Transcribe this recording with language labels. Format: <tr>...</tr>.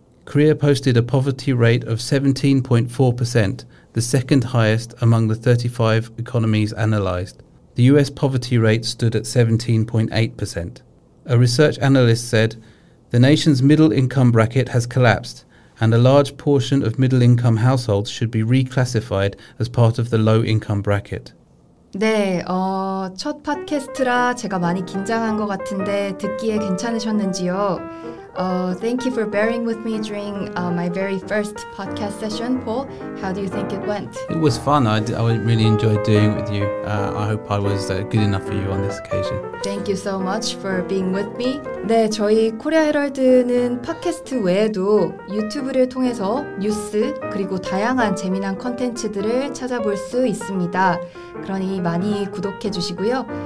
<en>Korea posted a poverty rate of 17.4%, the second highest among the 35 economies analyzed. The US poverty rate stood at 17.8%. A research analyst said, the nation's middle income bracket has collapsed, and a large portion of middle income households should be reclassified as part of the low income bracket.</en> <ko>네, 첫 팟캐스트라 제가 많이 긴장한 것 같은데 듣기에 괜찮으셨는지요?</ko> <en>Thank you for bearing with me during my very first podcast session, Paul. How do you think it went? It was fun. I really enjoyed doing it with you. I hope I was good enough for you on this occasion. Thank you so much for being with me.</en> <ko>네, 저희 코리아 헤럴드는 팟캐스트 외에도 유튜브를 통해서 뉴스 그리고 다양한 재미난 콘텐츠들을 찾아볼 수 있습니다. 그러니 많이 구독해 주시고요.</ko>